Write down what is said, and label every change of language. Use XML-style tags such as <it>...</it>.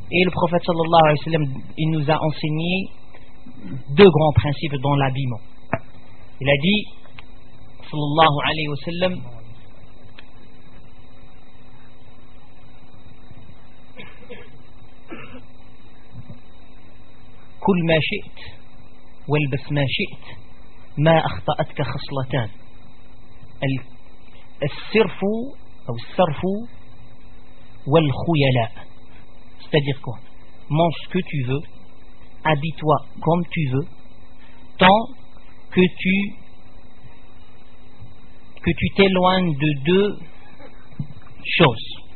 <fr>Et le prophète</fr> <ar>sallallahu alayhi wa sallam,</ar> <fr>il nous a enseigné deux grands principes dans l'habillement. Il a dit,</fr> <ar>sallallahu alayhi wa sallam, كل ما شئت والبس ما شئت ما أخطأتك خصلتان الصرف أو الصرف والخيلاء.</ar> <fr>C'est-à-dire quoi? Mange ce que tu veux, habille-toi comme tu veux, tant que tu t'éloignes de deux choses.</fr>